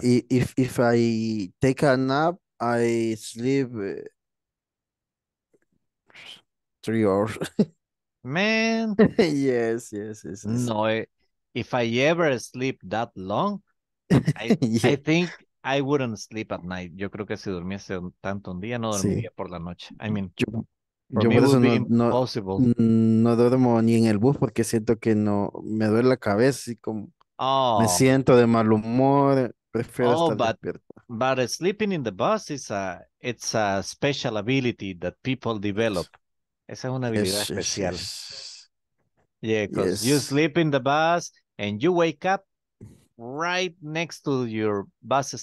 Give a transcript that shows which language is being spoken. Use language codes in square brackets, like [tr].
[en] If I take a nap, I sleep 3 hours. Man, yes. No, if I ever sleep that long, I think I wouldn't sleep at night. [es] Yo creo que si durmiese tanto un día, no dormiría por la noche. [en] I mean, for me, it would be impossible. [es] No duermo ni en el bus porque siento que no me duele la cabeza y como me siento de mal humor. Prefiero estar despierto. [en] But sleeping in the bus is a special ability that people develop. [es] Esa es una habilidad especial. [en] Yeah, because you sleep in the bus and you wake up right next to your bus stop.